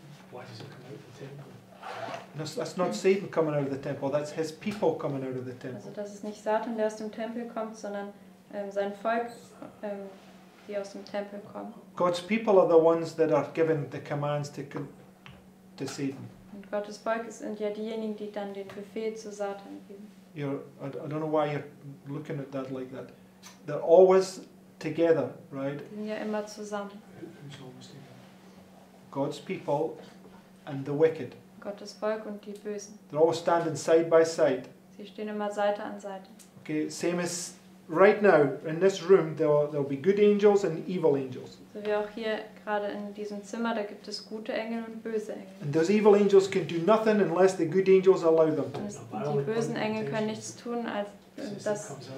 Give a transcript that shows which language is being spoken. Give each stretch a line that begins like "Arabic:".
English: Why does it come out of the temple? No, that's not Satan coming out of the temple. That's his people coming out of the temple.
German: Also das ist nicht Satan, der aus dem Tempel kommt, sondern sein Volk. Aus dem Tempel kommen.
English: God's people are the ones that are given the commands to Satan.
German: Und Gottes Volk sind ja diejenigen, die dann den Befehl zu Satan geben.
English: I don't know why you're looking at that like that. They're always together, right?
German: Sind ja immer zusammen.
English: Who's always together? God's people and the wicked.
German: Gottes Volk und die Bösen.
English: They're all standing side by side.
German: Sie stehen immer Seite an Seite.
English: Okay, same as right now in this room, there'll be good angels and evil angels.
German: So wie auch hier gerade in diesem Zimmer, da gibt es gute Engel und böse Engel.
English: And those evil angels can do nothing unless the good angels allow them to.
German: Und die bösen Engel können nichts tun, als dass.